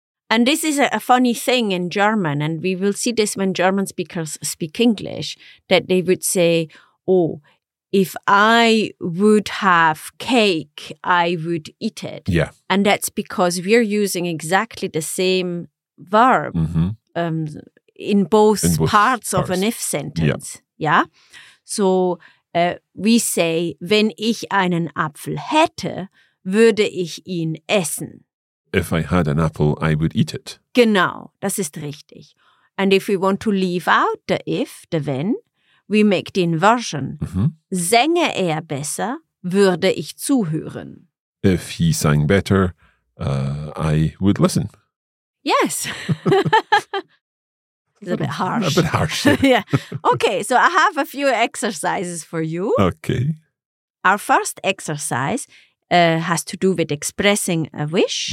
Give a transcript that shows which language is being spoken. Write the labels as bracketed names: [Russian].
[English] And this is a funny thing in German, and we will see this when German speakers speak English, that they would say, oh, if I would have cake, I would eat it. Yeah. And that's because we're using exactly the same verb in both parts of an if sentence. Yeah. Yeah? So we say, [German] wenn ich einen Apfel hätte, würde ich ihn essen. [English] If I had an apple, I would eat it. [German] Genau, das ist richtig. [English] And if we want to leave out the if, the wenn, we make the inversion. Mm-hmm. [German] Sänge er besser, würde ich zuhören. [English] If he sang better, I would listen. Yes. It's a bit harsh. A bit harsh. Yeah. Okay, so I have a few exercises for you. Okay. Our first exercise has to do with expressing a wish.